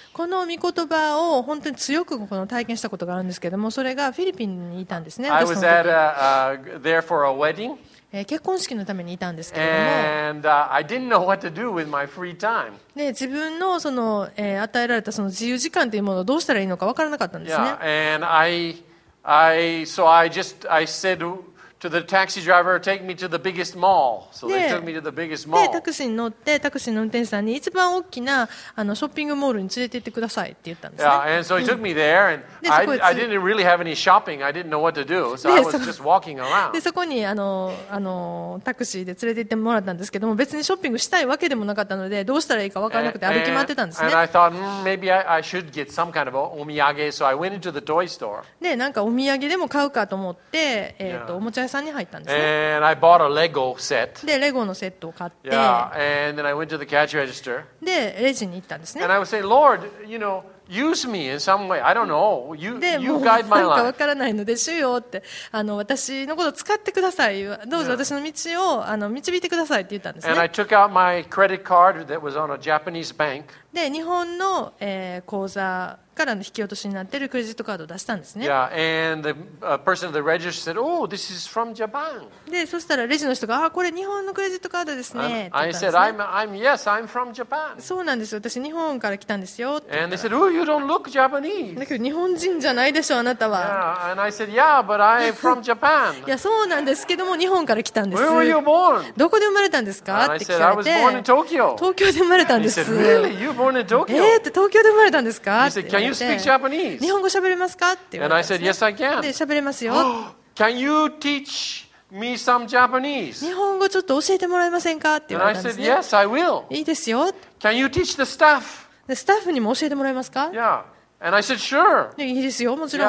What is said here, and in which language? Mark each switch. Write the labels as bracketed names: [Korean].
[Japanese] この御言葉を本当に強くこの体験したことがあるんですけども、それがフィリピンにいたんですね。 [English] I was at there for a wedding. [Japanese] 結婚式のためにいたんですけれども、で自分 の, その、与えられたその自由時間というものをどうしたらいいのか分からなかったんですね。 [English] yeah. And I, I, so I just, I said to the taxi driver, take me to the biggest mall. So they took me to the biggest mall. [Japanese] で、タクシーに乗って、タクシーの運転手さんに一番大きなあのショッピングモールに連れて行ってくださいって言ったんですね。 [English] Yeah, and so he took me there, and I didn't really have any shopping. I didn't know what to do, so I was just walking around. [Japanese] で、そこにあのタクシーで連れて行ってもらったんですけども、別にショッピングしたいわけでもなかったので、どうしたらいいか分からなくて歩き回ってたんですね。 [English] And I thought, maybe I should get some kind of omiyage, so I went into the toy store. [Japanese] で、なんかお土産でも買うかと思って、おもちゃ屋さんに入ったんですね。 [English] And I bought a Lego set. [Japanese] で、レゴのセットを買って、 [English] yeah. And then I went to the cash register. [Japanese] で、レジに行ったんですね。 [English] And I would say, Lord, you know, use me in some way. I don't know. You guide my life. [Japanese] なんかわからないので、主よって、私のことを使ってください。どうぞ私の道を導いてくださいって言ったんですね。 [English] And I took out my credit card that was on a Japanese bank. [Japanese] で、日本の、口座からの引き落としになっているクレジットカードを出したんですね。 [English] Yeah, and the person at the register said, "Oh, this is from Japan." [Japanese] で、そしたらレジの人が、あ、これ日本のクレジットカードですね。 [English] I said, "Yes, I'm from Japan." [Japanese] そうなんですよ。私日本から来たんですよ。 [English] And they said, "Oh, you don't look Japanese." [Japanese] だけど日本人じゃないでしょあなたは。 [English] Yeah, and I said, "Yeah, but I'm from Japan." [Japanese] いや、そうなんですけども日本から来たんです。 [English] Where were you born? [Japanese] どこで生まれたんですかって聞かれて。 [English] And I said, "I was born in Tokyo." [Japanese] 東京で生まれたんです。 [English] He said, "Really? You born in Tokyo?" [Japanese] って東京で生まれたんですかって。 [English] Can you speak Japanese? [Japanese] 日本語喋れますかって言われたんです [English] ね。And I said, yes, I can. [Japanese] で、喋れますよ。 [English] Can you teach me some Japanese? [Japanese] 日本語ちょっと教えてもらえませんかって言われたんですね。 [English] And I said, yes, I will. [Japanese] いいですよ。 [English] Can you teach the staff? [Japanese] で、スタッフにも教えてもらえますか [English] Yeah. And I said, sure. [Japanese] で、いいですよ、もちろん。